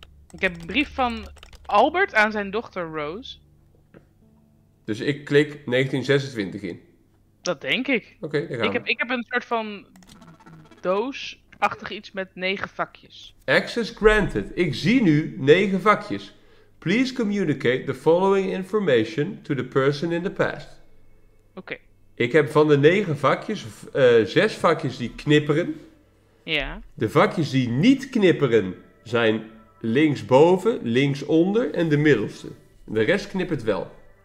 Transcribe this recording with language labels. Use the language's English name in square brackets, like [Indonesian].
[Dutch] Ik heb een brief van Albert aan zijn dochter Rose. Dus ik klik 1926 in. Dat denk ik. Oké, okay, daar gaan ik heb een soort van doosachtig iets met 9 vakjes. [English] Access granted. [Dutch] Ik zie nu 9 vakjes. [English] Please communicate the following information to the person in the past. [Dutch] Oké. Okay. Ik heb van de 9 vakjes, 6 vakjes die knipperen. Ja. De vakjes die niet knipperen zijn linksboven, linksonder en de middelste. De rest knippert wel.